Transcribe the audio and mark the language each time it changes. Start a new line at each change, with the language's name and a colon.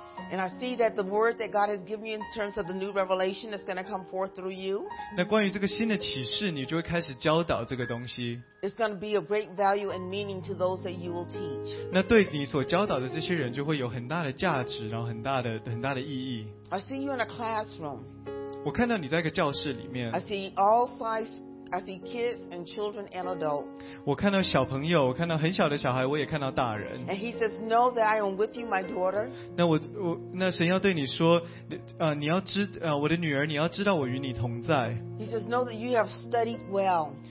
English: And I see that the word that God has given you in terms of the new revelation is going to come forth through you.
Chinese: 那关于这个新的启示，你就会开始教导这个东西。
English: It's going to be of great value and meaning to those that you will teach.
Chinese: 那对你所教导的这些人就会有很大的价值，然后很大的意义。
English: I see you in a classroom.
Chinese: 我看到你在一个教室里面。
English: I see all sizes. I see kids and children and adults.
Chinese: 我看到小朋友，我看到很小的小孩，我也看到大人。
English: And he says, "Know that I am with you, my daughter."
Chinese: 那神要对你说，你要知，我的女儿，你要知道我与你同在。
English: He says, "Know that you have studied well."